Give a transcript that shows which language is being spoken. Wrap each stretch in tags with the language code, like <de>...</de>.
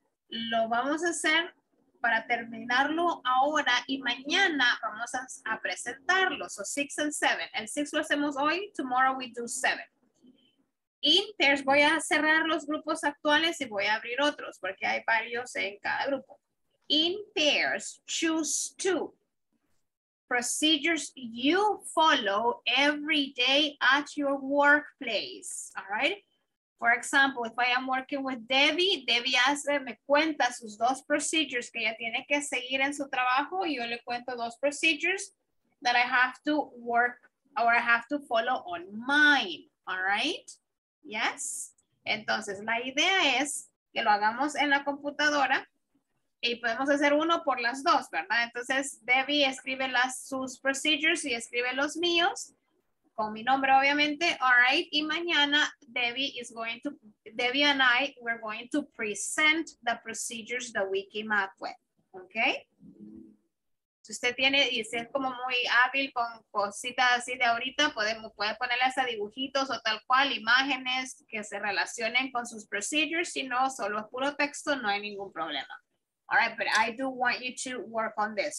<es>Lo vamos a hacer para terminarlo ahora y mañana vamos a presentarlo.</es> <en>So 6 and 7.</en> <es>El 6 lo hacemos hoy,</es> <en>tomorrow we do 7.</en> <es>Inters, voy a cerrar los grupos actuales y voy a abrir otros porque hay varios en cada grupo.</es> <en>In pairs, choose two. procedures you follow every day at your workplace, all right? For example, if I am working with Debbie, Debbie</en> <es>hace, me cuenta sus dos procedures que ella tiene que seguir en su trabajo, y yo le cuento dos</es> <en>procedures that I have to work or I have to follow on mine, all right? Yes?</en> <es>Entonces, la idea es que lo hagamos en la computadora y podemos hacer uno por las dos, ¿verdad? Entonces, Debbie escribe las, sus procedures y escribe los míos, con mi nombre, obviamente, all right? Y mañana,</es> <en>Debbie and I, we're going to present the procedures that we came up with, okay?</en> <es>Si usted tiene, y si es como muy hábil con cositas así de ahorita, podemos, puede ponerle hasta dibujitos o tal cual, imágenes que se relacionen con sus procedures. Si no, solo es puro texto, no hay ningún problema.</es> <en>All right, but I do want you to work on this.</en>